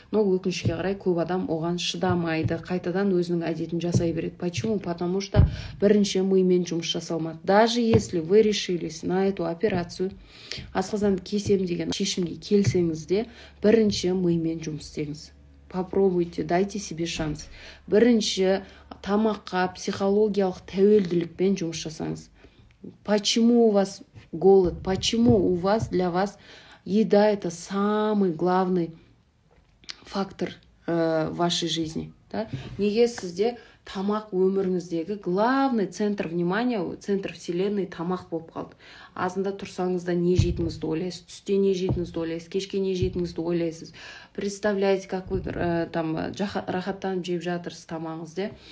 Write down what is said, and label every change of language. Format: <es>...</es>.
<kk>Но өкінішке қарай көп адам оған шыдамайды. Қайтадан өзінің әдетін жасай береді.</kk> <ru>Почему? Потому что</ru> <kk>бірінші мұймен жұмыс жасалмады.</kk> <ru>Даже если вы решились на эту операцию,</ru> <kk>асқазанды кесем деген шешімге келсеңізде, бірінші мұймен жұмыс істеңіз.</kk> <ru>Попробуйте, дайте себе шанс.</ru> <kk>Бірінші тамаққа психологиялық тәуелділікпен жұмыс жасаңыз.</kk> <ru>Почему у вас голод? Почему у вас для вас еда это самый главный фактор в вашей жизни? Да?</ru> <kk>Неге сізде тамақ өміріңіздегі</kk> <ru>главный центр внимания, центр вселенной</ru> <kk>тамақ болып қалды. Азында тұрсаңызда не жейтіңізді ойлайсыз, түсте не жейтіңізді ойлайсыз, кешке не жейтіңізді ойлайсыз.</kk> <ru>Представляете, как вы там</ru> <kk>рахаттанып жеп жатырсыз тамағыңызды.</kk>